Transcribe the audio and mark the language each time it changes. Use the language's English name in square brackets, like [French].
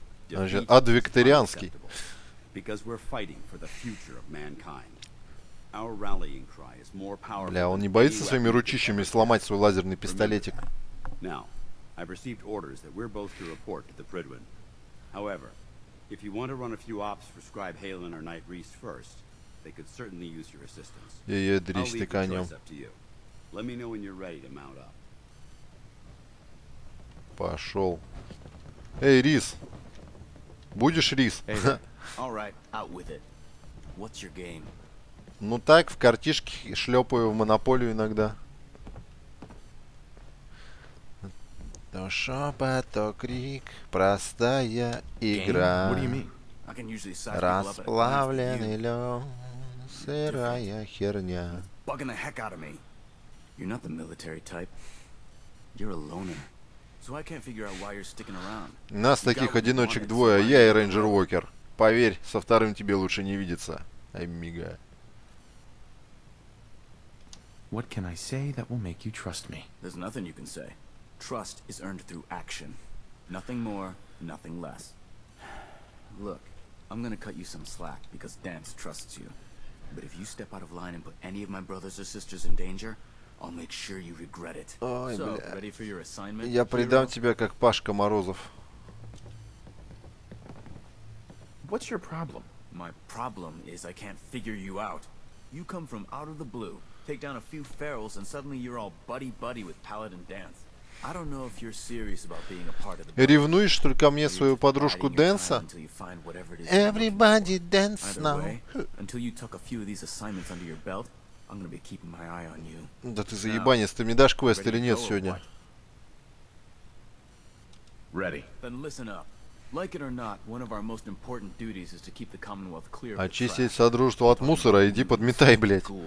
[Russian] Значит, ad викторианский. [English] Because we're fighting for the future of mankind. Our rallying cry is more powerful. [Russian] Бля, он не боится своими ручищами сломать свой лазерный пистолетик. [English] Now, I've received orders that we're both to report to the Pridwin. However, if you want to run a few ops for Scribe Halen or Knight Reese first, they could certainly use your assistance. I'll leave the choice up to you. Let me know when you're ready to mount up. [Russian] Пошел. Эй, Рис. Будешь Рис? [English] All right, out with it. What's your game? [Russian] Ну так, в картишке шлепаю в монополию иногда. То шепот, то крик, простая игра. Расплавленный лед, сырая херня. [English] Bugging the heck out of me. You're not the military type. You're a loner. So I can't figure out why you're sticking around. [Russian] Нас таких одиночек двое, я и Рейнджер Уокер. Поверь, со вторым тебе лучше не видеться. Амиго. [English] What can I say that will make you trust me? There's nothing you can say. Trust is earned through action. Nothing more, nothing less. Look, I'm gonna cut you some slack because Dance trusts you. But if you step out of line and put any of my brothers or sisters in danger, I'll make sure you regret it. Ой, so, бля. Ready for your assignment? [Russian] Я предам тебя, как Пашка Морозов. [English] What's your problem? My problem is I can't figure you out. You come from out of the blue, take down a few ferals, and suddenly you're all buddy-buddy with Paladin Dance. I don't know if you're serious about being a part of the party. [Russian] Ревнуешь, что ли, ко мне свою подружку Дэнса? [English] Everybody dance now. Until you tuck a few of these assignments under your belt, I'm gonna be keeping my eye on you. [Russian] Да ты заебанец, ты мне дашь квест или нет сегодня? [English] Ready. Then listen up. Like it or not, one of our most important duties is to keep the Commonwealth clear. [Russian] Очистить содружество от мусора, иди подметай, блять.